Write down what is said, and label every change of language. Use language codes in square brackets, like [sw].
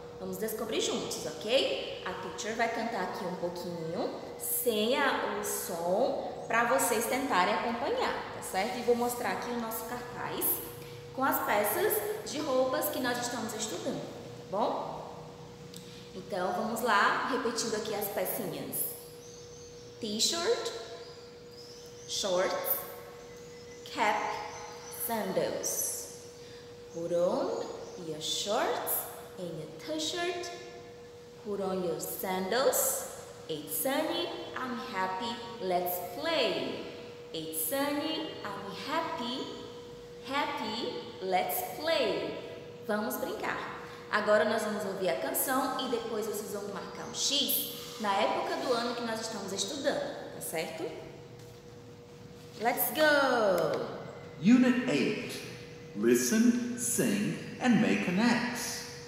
[pt] Vamos descobrir juntos, ok? A teacher vai cantar aqui um pouquinho, sem o som, para vocês tentarem acompanhar, tá certo? E vou mostrar aqui o nosso cartaz com as peças de roupas que nós estamos estudando, tá bom? Então, vamos lá, repetindo aqui as pecinhas. [en] T-shirt, shorts, cap, sandals. Put on your shorts and your t-shirt. Put on your sandals. It's sunny, I'm happy, let's play. It's sunny, I'm happy, happy, let's play. [pt] Vamos brincar. Agora nós vamos ouvir a canção e depois vocês vão marcar um X na época do ano que nós estamos estudando, tá certo? [en] Let's go! Unit 8. Listen, sing, and make an X.